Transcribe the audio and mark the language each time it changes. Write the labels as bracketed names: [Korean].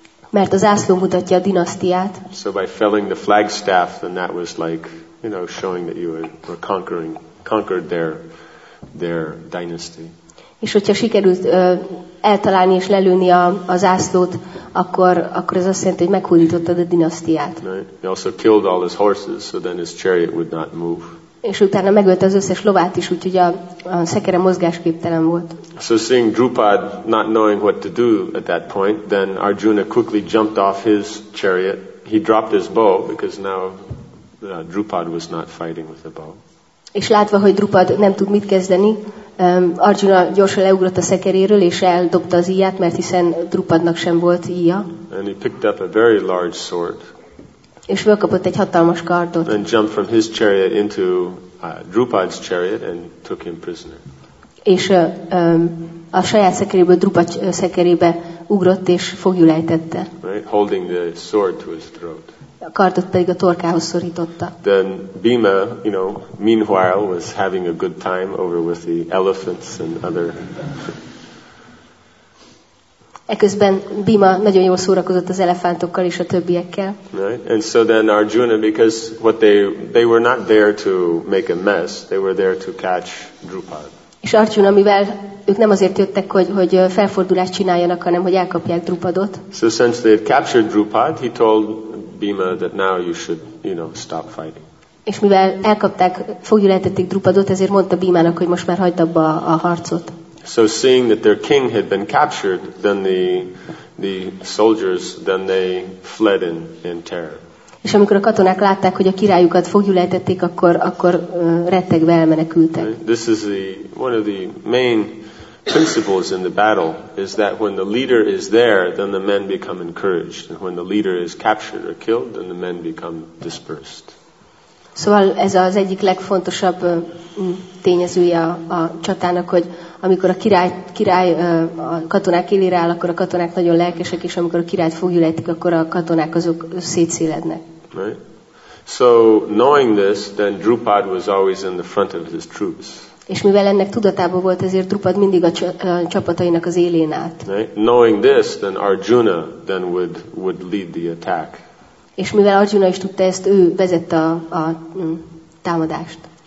[Hungarian] Mert a zászló mutatja a dinasztiát. [English] So by felling the flagstaff, then that was like, you know, showing that you were conquered their dynasty. [Hungarian] És hogyha sikerült eltalálni és lelőni a zászlót, akkor ez azt jelenti, hogy meghódítottad a dinasztiát. [English] Right. He also killed all his horses, so then his chariot would not move. [Hungarian] És utána megölte az összes lovát is, úgyhogy a szekere mozgásképtelen volt. [English] So seeing Drupad not knowing what to do at that point, then Arjuna quickly jumped off his chariot. He dropped his bow because now Drupad was not fighting with the bow. [Hungarian] És látva, hogy Drupad nem tud mit kezdeni, Arjuna gyorsan leugrott a szekeréről és eldobta az íját, mert hiszen Drupadnak sem volt íja. [English] And he picked up a very large sword. [Hungarian] És fölkapott egy hatalmas kardot. [English] And jumped from his chariot into Drupad's chariot and took him prisoner. [Hungarian] És a saját szekeréből Drupad szekerébe ugrott és foglyul ejtette. [English] Right, holding the sword to his throat. [Hungarian] A kardot pedig a torkához szorította. [English] Then Bhima, you know, meanwhile was having a good time over with the elephants and other. [Hungarian] Eközben Bhima nagyon jól szórakozott az elefántokkal és a többiekkel. [English] Right. And so then Arjuna, because what they were not there to make a mess, they were there to catch Drupad. [Hungarian] És Arjuna, mivel ők nem azért jöttek, hogy felfordulást csináljanak, hanem hogy elkapják Drupadot. [English] So since they had captured Drupad, he told Bhima that now you should, you know, stop fighting. [Hungarian] És mivel elkapták, foglyul ejtették Drupadot, ezért mondta Bhimának, hogy most már hagyd abba a harcot. [English] So seeing that their king had been captured, then the soldiers, then they fled in terror. [Hungarian] És amikor a katonák látták, hogy a királyukat foglyul ejtették, akkor rettegve elmenekültek. [English] This is one of the main principles in the battle, is that when the leader is there, then the men become encouraged. And when the leader is captured or killed, then the men become dispersed. [Hungarian] Szóval ez az egyik legfontosabb tényezője a csatának, hogy amikor a király a katonák élére áll, akkor a katonák nagyon lelkesek, és amikor a királyt foglyul ejtik, akkor a katonák azok szétszélednek. [English] Right. So knowing this, then Drupad was always in the front of his troops. [Hungarian] És mivel ennek tudatában volt, ezért Drupad mindig a csapatainak az élén állt. [English] Right. Knowing this, then Arjuna then would lead the attack. [Hungarian] És mivel Arjuna is tudta ezt, ő vezette a támadást.